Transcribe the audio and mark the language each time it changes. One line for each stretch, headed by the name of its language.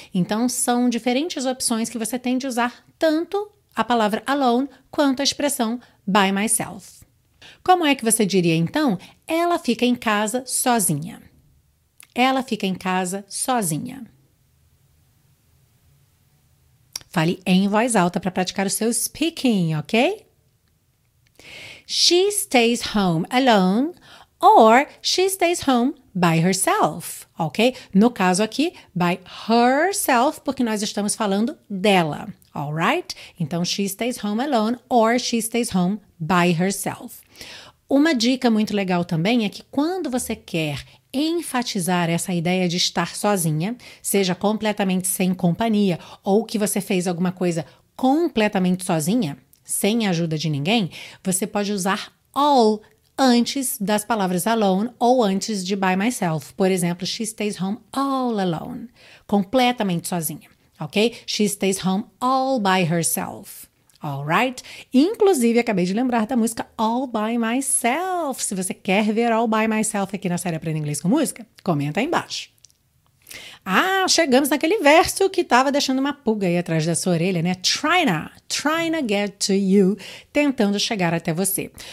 Portuguese: Então, são diferentes opções que você tem de usar tanto a palavra alone quanto a expressão by myself. Como é que você diria, então, ela fica em casa sozinha? Ela fica em casa sozinha. Fale em voz alta para praticar o seu speaking, ok?
English: She stays home alone or she stays home by herself, ok?
Portuguese: No caso aqui, by herself, porque nós estamos falando dela, alright? Então,
English: she stays home alone or she stays home by herself.
Portuguese: Uma dica muito legal também é que quando você quer enfatizar essa ideia de estar sozinha, seja completamente sem companhia ou que você fez alguma coisa completamente sozinha, sem a ajuda de ninguém, você pode usar all antes das palavras alone ou antes de by myself. Por exemplo,
English: she stays home all alone,
Portuguese: completamente sozinha,
English: ok? She stays home all by herself.
Portuguese: Alright? Inclusive, acabei de lembrar da música All By Myself. Se você quer ver All By Myself aqui na série Aprenda Inglês com Música, comenta aí embaixo. Ah, chegamos naquele verso que estava deixando uma pulga aí atrás da sua orelha, né?
English: Trying to get to you,
Portuguese: tentando chegar até você.